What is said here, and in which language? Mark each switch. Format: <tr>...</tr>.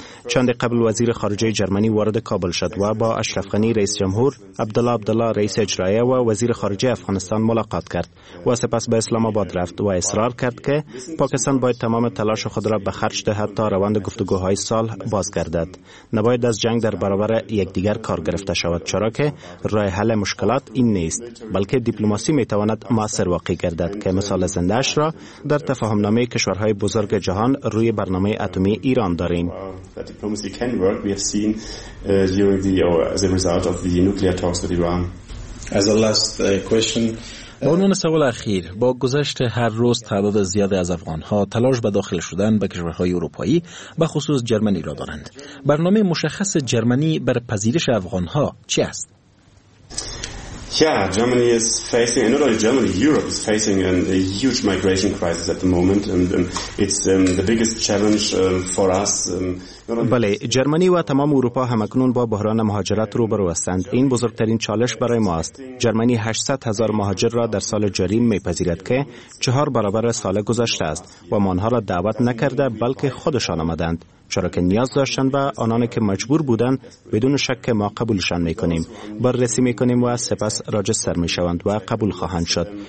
<fa>چند قبل وزیر خارجه جرمنی وارد کابل شد و با اشرف غنی رئیس جمهور، عبدالله عبدالله رئیس اجرائیه و وزیر خارجه افغانستان ملاقات کرد و سپس به اسلام آباد رفت و اصرار کرد که پاکستان باید تمام تلاش خود را به خرج دهد تا روند گفتگوهای سال بازگردد. نباید از جنگ در برابر یکدیگر کار گرفته شود، چرا که راه حل مشکلات این نیست، بلکه دیپلماسی می تواند مؤثر واقع گردد که مثال زنده اش را در تفاهمنامه کشورهای بزرگ جهان روی برنامه اتمی ایران داریم.</fa> <en>Diplomacy can work. We have seen during the or as a result of the nuclear talks with Iran. As a last question.</en> <fa>به عنوان سوال اخیر، با گذشت هر روز تعداد زیادی از افغان‌ها تلاش به داخل شدن به کشورهای اروپایی به خصوص جرمنی را دارند. برنامه مشخص جرمنی بر پذیرش افغان‌ها چی است؟</fa> <en>Yeah, Germany is facing, and not only Germany, Europe is facing a huge migration crisis at the moment, and it's the biggest challenge for us.</en> <fa>بله، جرمنی و تمام اروپا همکنون با بحران مهاجرت روبرو هستند. این بزرگترین چالش برای ما است. جرمنی 800 هزار مهاجر را در سال جاری میپذیرد که 4 برابر سال گذشته است و ما آنها را دعوت نکرده بلکه خودشان آمدند، چرا که نیاز داشتند و آنانی که مجبور بودند بدون شک ما قبولشان میکنیم، بررسی میکنیم و سپس راجستر میشوند و قبول خواهند شد.</fa>